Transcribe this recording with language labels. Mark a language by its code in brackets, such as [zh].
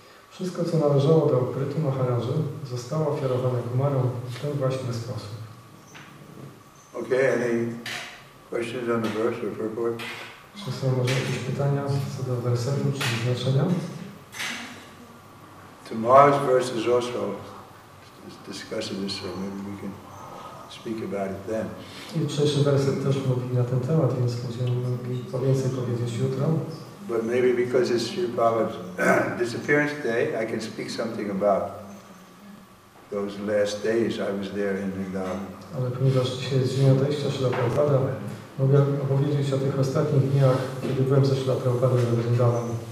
[pl] Wszystko, co należało do Prithu Maharaja, zostało ofiarowane Kumarom w ten właśnie sposób. [en] Okay, any questions on the verse or purport? [pl] Czy są może jakieś pytania co do wersetu czy znaczenia? [en] Tomorrow's verse is also discussing this, so maybe we can speak about it then. [pl] Jutrzejszy werset też mówi na ten temat, więc będziemy mogli po więcej powiedzieć jutro. [en] But maybe because it's Sri Prabhupada's disappearance day, I can speak something about those last days I was there in Vrindavan. [pl] Ale ponieważ dzisiaj jest dzień odejścia Śrīla Prabhupada, mogę opowiedzieć o tych ostatnich dniach, kiedy byłem ze Śrīla Prabhupada w Vrindavan.